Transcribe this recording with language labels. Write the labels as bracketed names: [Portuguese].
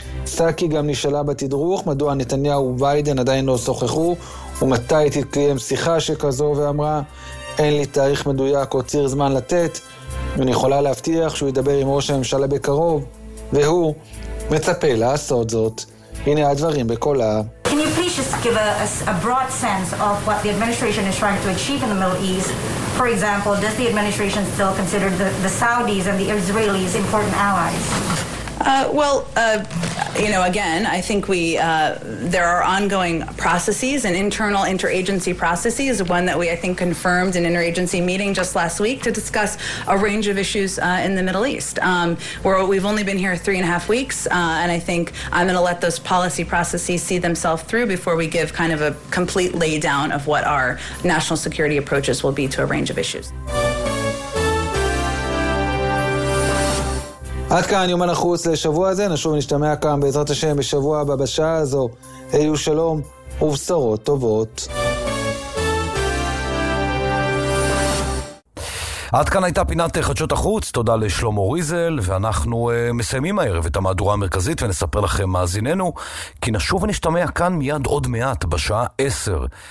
[Hebrew] סאקי גם נשאלה בתדרוך מדוע נתניהו וביידן עדיין לא שוחחו ומתי תתקיים שיחה שכזו, ואמרה אין לי תאריך מדויק או ציר זמן לתת, ואני יכולה להבטיח שהוא ידבר עם ראש הממשלה בקרוב, והוא מצפה לעשות זאת. הנה הדברים בקולה. [English] Can you please just give us a broad sense of what the administration is trying to achieve in the Middle East? For example, does the administration still consider the Saudis and the Israelis important allies? You know, again, I think there are ongoing processes and internal interagency processes, one that we, I think, confirmed in an interagency meeting just last week to discuss a range of issues in the Middle East. We've only been here 3.5 weeks, and I think I'm going to let those policy processes see themselves through before we give kind of a complete laydown of what our national security approaches will be to a range of issues. [Hebrew] עד כאן יומן החוץ לשבוע הזה, נשוב ונשתמע כאן בעזרת השם בשבוע הבא בשעה הזו. היו שלום ובשורות טובות. עד כאן הייתה פינת חדשות החוץ, תודה לשלום אוריזל, ואנחנו מסיימים הערב את המהדורה המרכזית, ונספר לכם מאזיננו, כי נשוב ונשתמע כאן מיד עוד מעט בשעה 10.